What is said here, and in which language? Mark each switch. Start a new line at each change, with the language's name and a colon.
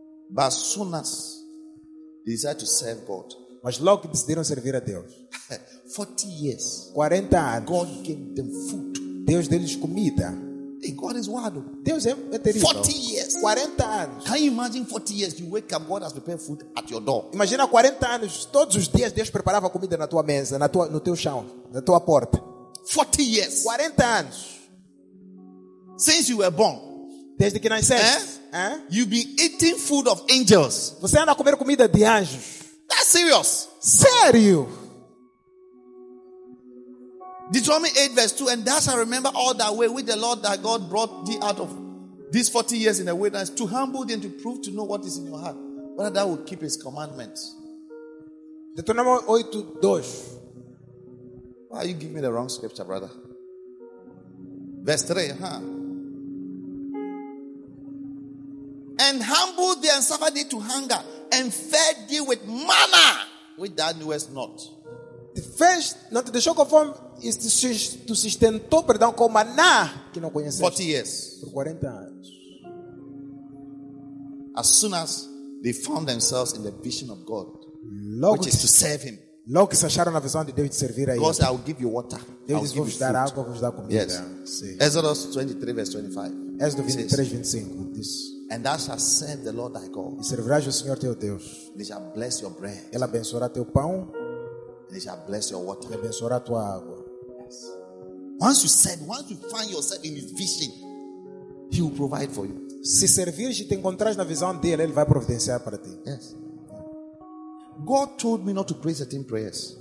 English: But as soon as they decided to serve God,
Portuguese: mas logo que decidiram servir a Deus,
English: 40 years,
Portuguese: 40 anos,
English: God gave them food.
Portuguese: Deus deles comida.
English: Hey, God is wild.
Portuguese: Deus é terrível.
English: 40 years,
Portuguese: 40 anos.
English: Can you imagine 40 years? You wake up, God has prepared food at your door.
Portuguese: Imagina 40 anos, todos os dias Deus preparava comida na tua mesa, na tua, no teu chão, na tua porta.
English: 40 years,
Portuguese: 40 anos.
English: Since you were born,
Portuguese: desde que nasceste,
English: you've been eating food of angels.
Portuguese: Você anda a comer comida de anjos.
English: That's serious.
Portuguese: Sério.
English: Deuteronomy 8 verse 2, and thus I remember all that way with the Lord that God brought thee out of these 40 years in the wilderness to humble thee and to prove to know what is in your heart, whether thou would keep his commandments. Deuteronomy 8 to 2. Why are you giving me the wrong scripture, brother? Verse 3, huh? And humble thee and suffer thee to hunger and fed thee with manna which thou knewest not.
Portuguese: Te fez, não te deixou conforme este tu sustentou, perdão, com maná que não conheceste.
English: 40 years.
Portuguese: Por 40 anos.
English: As soon as they found themselves in the vision of God,
Portuguese: logo
English: which is to serve Him.
Portuguese: Logo que se acharam na visão de Deus de servir a Ele.
English: God said, I will give you water.
Portuguese: Deus disse, vou te dar água, vou te dar comida.
English: Yes. Exodus 23, verse 25.
Portuguese: Êxodo 23, 25. Diz,
English: and thou shalt serve the Lord thy God.
Portuguese: E servirás o Senhor teu Deus.
English: He shall bless your bread.
Portuguese: Ele abençoará teu pão.
English: And it shall bless your water.
Portuguese: Ele abençoará tua água.
English: Yes. Once you said, once you find yourself in His vision, He will provide for you.
Portuguese: Se servires e te encontrares na visão dele, Ele vai providenciar para ti.
English: Yes. God told me not to pray certain prayers.